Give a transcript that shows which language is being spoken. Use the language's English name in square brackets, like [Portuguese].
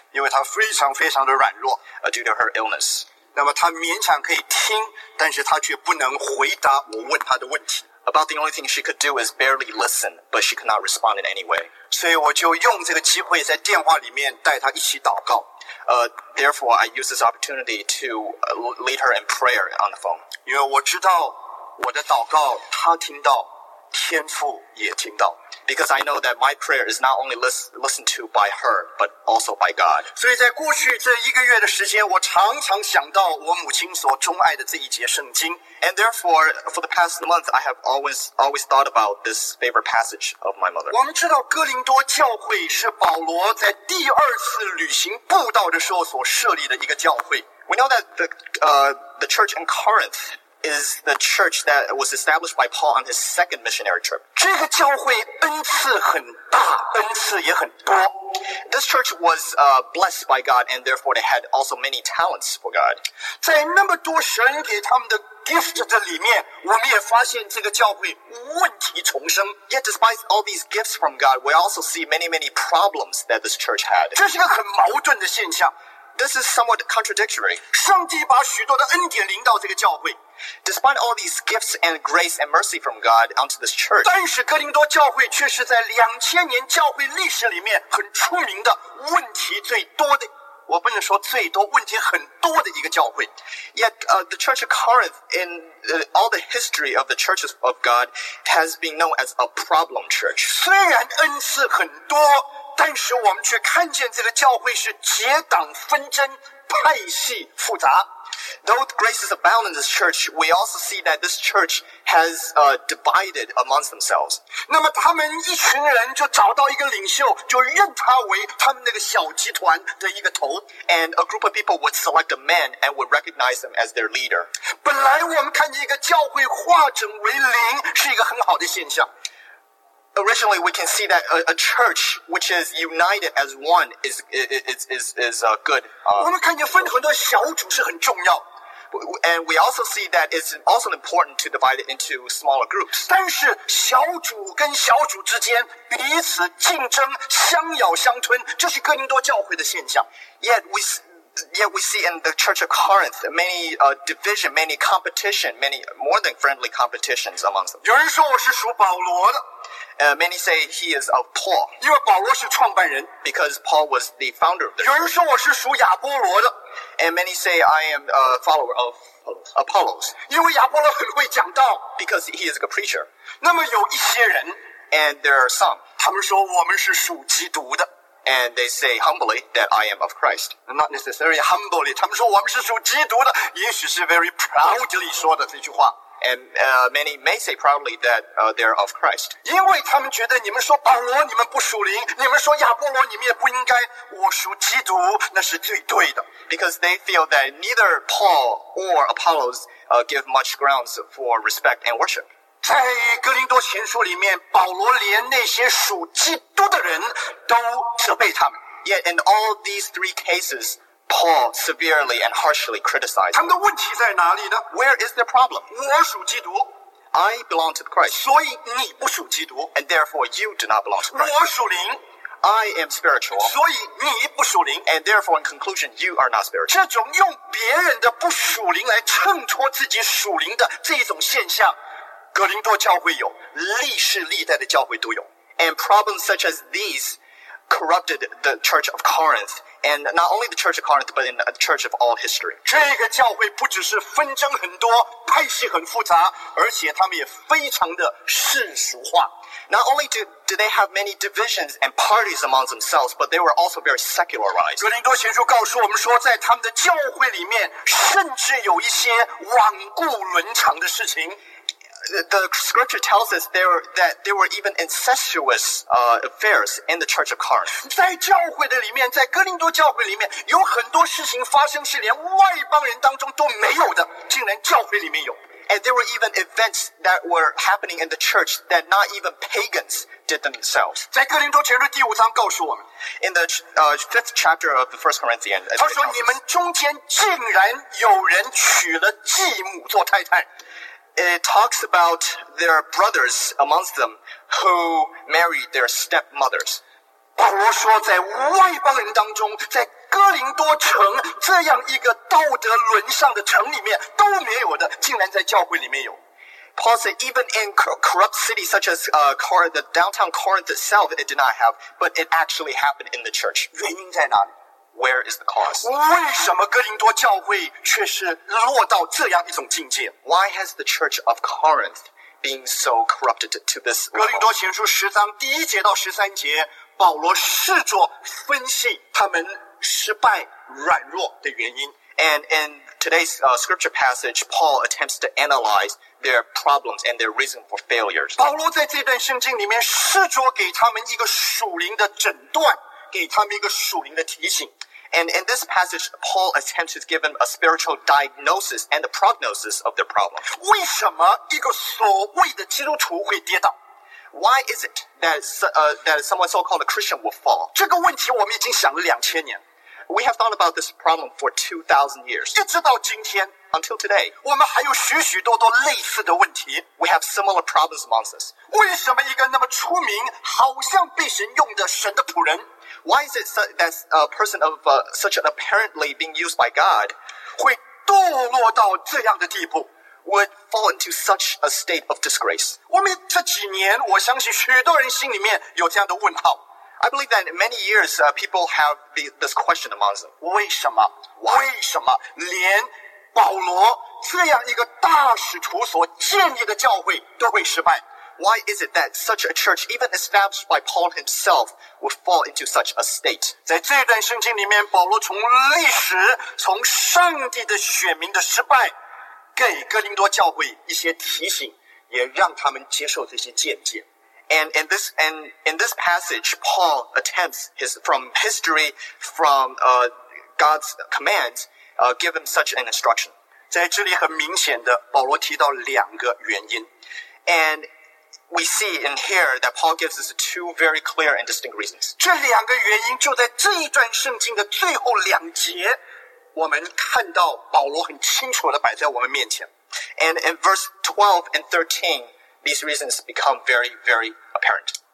[Chinese] 因为她非常非常的软弱。 [English] Due to her illness. [Chinese] 那么她勉强可以听，但是她却不能回答我问她的问题。 [English] About the only thing she could do is barely listen, but she could not respond in any way. [Chinese] 所以我就用这个机会在电话里面带她一起祷告。 [English] Therefore, I use this opportunity to lead her in prayer on the phone. [Chinese] 因为我知道我的祷告她听到，天父也听到。 [English] Because I know that my prayer is not only listened to by her, but also by God. [Chinese] 所以在过去这一个月的时间，我常常想到我母亲所钟爱的这一节圣经。 [English] And therefore, for the past month, I have always thought about this favorite passage of my mother. [Chinese] 我们知道哥林多教会是保罗在第二次旅行布道的时候所设立的一个教会。 [English] We know that the church in Corinth. Is the church that was established by Paul on his second missionary trip. [Chinese] 这个教会恩赐很大，恩赐也很多。 [English] This church was blessed by God, and therefore they had also many talents for God. [Chinese] 在那么多神给他们的 gift 的里面，我们也发现这个教会问题丛生。 [English] Yet despite all these gifts from God, we also see many, many problems that this church had. [Chinese] 这是个很矛盾的现象。 [English] This is somewhat contradictory. [Chinese] 上帝把许多的恩典临到这个教会。 [English] Despite all these gifts and grace and mercy from God onto this church, [Chinese] 但是哥林多教会却是在两千年教会历史里面很出名的问题最多的，我不能说最多，问题很多的一个教会。 [English] Yet the church of Corinth in all the history of the churches of God has been known as a problem church. [Chinese] 虽然恩赐很多，但是我们却看见这个教会是结党纷争，派系复杂。 [English] Though grace is abound in this church, we also see that this church has divided amongst themselves. [Chinese] 那么他们一群人就找到一个领袖，就认他为他们那个小集团的一个头。 [English] And a group of people would select a man and would recognize him as their leader. [Chinese] 本来我们看见一个教会化整为零是一个很好的现象。 [English] Originally, we can see that a church which is united as one is good. [Chinese] 我们看见分很多小组是很重要。 [English] And we also see that it's also important to divide it into smaller groups. [Chinese] 但是小组跟小组之间彼此竞争，相咬相吞，这是哥林多教会的现象。 [English] Yet we Yet we see in the Church of Corinth many division, many competition, many more than friendly competitions amongst them. [Chinese] 有人说我是属保罗的。 [English] Many say he is of Paul. [Chinese] 因为保罗是创办人。 [English] Because Paul was the founder of the church. [Chinese] 有人说我是属亚波罗的。 [English] And many say I am a follower of Apollos. [Chinese] 因为亚波罗很会讲道。 [English] Because he is a good preacher. [Chinese] 那么有一些人。 [English] And there are some. [Chinese] 他们说我们是属基督的。 [English] And they say humbly that I am of Christ. Not necessarily humbly. [Chinese] 他们说我们是属基督的，也许是 [English] very proudly [Chinese] 说的这句话。 [English] And many may say proudly that they're of Christ. [Chinese] 因为他们觉得你们说保罗你们不属灵，你们说亚波罗你们也不应该，我属基督那是最对的。 [English] Because they feel that neither Paul or Apollos give much grounds for respect and worship. [Chinese] 在哥林多前书里面，保罗连那些属基督的人都责备他们。 [English] Yet in all these three cases, Paul severely and harshly criticized. [Chinese] 他们的问题在哪里呢 [English] ？Where is their problem? [Chinese] 我属基督 [English] ，I belong to Christ. [Chinese] 所以你不属基督 [English] ，and therefore you do not belong to Christ. [Chinese] 我属灵 [English] ，I am spiritual. [Chinese] 所以你不属灵 [English] ，and therefore in conclusion you are not spiritual. [Chinese] 这种用别人的不属灵来衬托自己属灵的这一种现象。哥林多教会有，历世历代的教会都有。 [English] And problems such as these corrupted the church of Corinth, and not only the church of Corinth, but in the church of all history. [Chinese] 这个教会不只是纷争很多，派系很复杂，而且他们也非常的世俗化。 [English] Not only do they have many divisions and parties among themselves, but they were also very secularized. [Chinese] 哥林多前书告诉我们说，在他们的教会里面，甚至有一些罔顾伦常的事情。 [English] The scripture tells us that there were even incestuous affairs in the church of Corinth. [Chinese] 在教会的里面，在哥林多教会里面，有很多事情发生是连外邦人当中都没有的，竟然教会里面有。 [English] And there were even events that were happening in the church that not even pagans did themselves. [Chinese] 在哥林多前书第五章告诉我们 [English] ，in the fifth chapter of the First Corinthians, [Chinese] 他说你们中间竟然有人娶了继母做太太。 [English] It talks about their brothers amongst them who married their stepmothers. [Chinese] 保罗说，在外邦人当中，在哥林多城这样一个道德沦丧的城里面都没有的，竟然在教会里面有。 [English] Paul said, even in corrupt cities such as the downtown Corinth itself, it did not have, but it actually happened in the church. [Chinese] 原因在哪里？ [English] Where is the cause? [Chinese] 为什么哥林多教会却是落到这样一种境界？ [English] Why has the church of Corinth been so corrupted to this level? [Chinese] 哥林多前书十章第一节到十三节，保罗试着分析他们失败软弱的原因。 [English] And in today's scripture passage, Paul attempts to analyze their problems and their reason for failures. [Chinese] 保罗在这段圣经里面试着给他们一个属灵的诊断。给他们一个属灵的提醒。 [English] And in this passage, Paul attempts to give them a spiritual diagnosis and a prognosis of their problem. [Chinese] 为什么一个所谓的基督徒会跌倒？ [English] Why is it that someone so-called a Christian will fall? [Chinese] 这个问题我们已经想了两千年。 [English] We have thought about this problem for 2,000 years. [Chinese] 一直到今天。 [English] Until today. [Chinese] 我们还有许许多多类似的问题。 [English] We have similar problems amongst us. [Chinese] 为什么一个那么出名，好像被神用的神的仆人？ [English] Why is it that a person of such an apparently being used by God [Chinese] 会堕落到这样的地步 [English] would fall into such a state of disgrace? [Chinese] 我们这几年，我相信许多人心里面有这样的问号。 [English] I believe that in many years, people have this question amongst them. [Chinese] 为什么？ [English] Why? [Chinese] 为什么连保罗这样一个大使徒所建立的教会都会失败？ [English] Why is it that such a church, even established by Paul himself, would fall into such a state? [Chinese] 在这段圣经里面，保罗从历史、从上帝的选民的失败，给哥林多教会一些提醒，也让他们接受这些见解。 [English] And in this passage, Paul attempts from God's commands, give him such an instruction. [Chinese] 在这里很明显的，保罗提到两个原因 [English] ，and We see in here that Paul gives us two very clear and distinct reasons. [Chinese] 这两个原因就在这一段圣经的最后两节，我们看到保罗很清楚地摆在我们面前。 [English] And in verse 12 and 13, these reasons become very, very apparent.